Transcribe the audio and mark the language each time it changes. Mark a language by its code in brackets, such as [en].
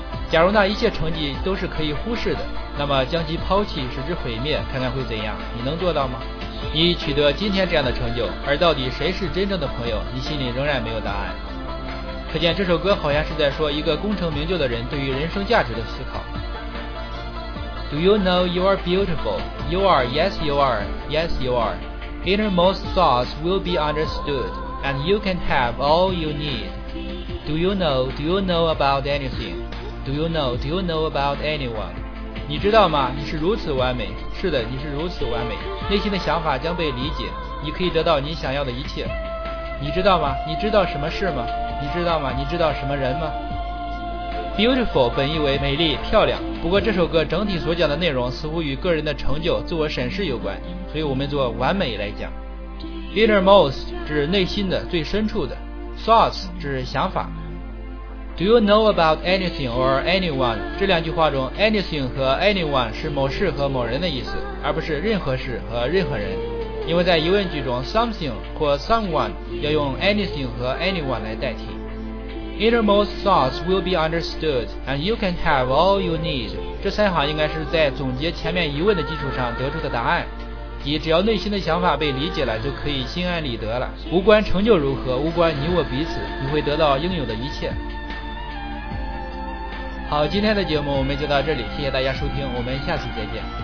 [zh] 假如那一切成绩都是可以忽视的，那么将其抛弃使之毁灭，看看会怎样，你能做到吗？你取得今天这样的成就，而到底谁是真正的朋友，你心里仍然没有答案。可见这首歌好像是在说一个功成名就的人对于人生价值的思考。 [en] Do you know you are beautiful? You are, yes you are, yes you are. Innermost thoughts will be understood, and you can have all you need. Do you know about anything? Do you know about anyone? [zh] 你知道吗？你是如此完美。是的，你是如此完美。内心的想法将被理解，你可以得到你想要的一切。你知道吗？你知道什么事吗？你知道吗？你知道什么人吗？ [en] Beautiful [zh] 本意为美丽、漂亮，不过这首歌整体所讲的内容似乎与个人的成就、自我审视有关，所以我们做完美来讲。 Innermost 指内心的、最深处的。Thoughts 指想法。 [en] Do you know about anything or anyone? [zh] 这两句话中 anything 和 anyone 是某事和某人的意思，而不是任何事和任何人，因为在疑问句中 something 或 someone 要用 anything 和 anyone 来代替。 [en] Innermost thoughts will be understood, and you can have all you need. [zh] 这三行应该是在总结前面疑问的基础上得出的答案，即只要内心的想法被理解了，就可以心安理得了。无关成就如何，无关你我彼此，你会得到应有的一切。好，今天的节目我们就到这里，谢谢大家收听，我们下次再见。